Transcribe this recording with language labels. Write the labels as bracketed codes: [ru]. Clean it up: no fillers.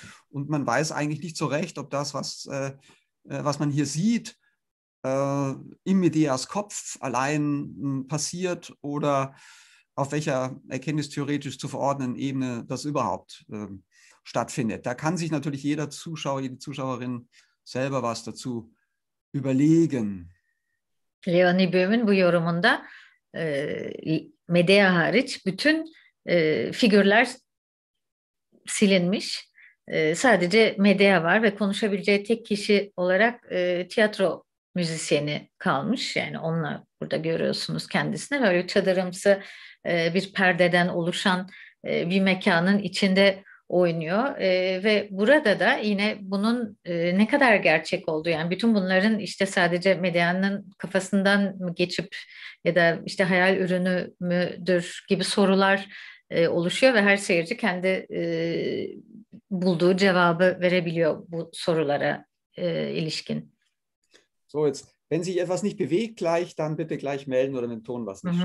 [de] Und man weiß eigentlich nicht so recht, ob das, was man hier sieht, in Medeas Kopf allein passiert oder auf welcher erkenntnistheoretisch zu verordnenden Ebene das überhaupt stattfindet. Da kann sich natürlich jeder Zuschauer, jede Zuschauerin selber was dazu überlegen. [tr] Leonie Böhm'ün bu yorumunda Medea hariç bütün figürler silinmiş. Sadece Medea var ve konuşabileceği tek kişi olarak tiyatro müzisyeni kalmış. Yani onunla burada görüyorsunuz kendisini. Böyle çadırımsı bir perdeden oluşan bir mekanın içinde oynuyor. Ve burada da yine bunun ne kadar gerçek olduğu, yani bütün bunların işte sadece Medea'nın kafasından mı geçip ya da işte hayal ürünü müdür gibi sorular oluşuyor ve her seyirci kendi bulduğu cevabı verebiliyor bu sorulara ilişkin. [de] So jetzt, wenn sich etwas nicht bewegt gleich, dann bitte gleich melden oder den Ton was nicht.